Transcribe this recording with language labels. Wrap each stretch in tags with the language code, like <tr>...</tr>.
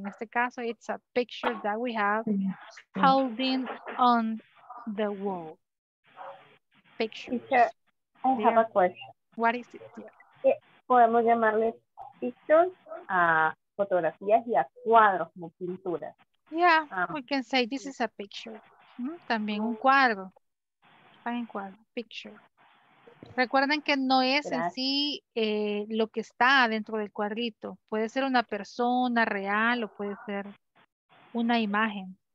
<en>En este caso, it's a picture that we have holding on the wall. Picture. I have a question. What is it?</en> <es>Podemos llamarle pictures a fotografías y a cuadros como pinturas.</es> <en>Yeah, we can say this is a picture.</en> <es>Mm-hmm. También un cuadro. Un cuadro, picture. Recuerden que no es en sí lo que está dentro del cuadrito. Puede ser una persona real o puede ser una imagen.</es>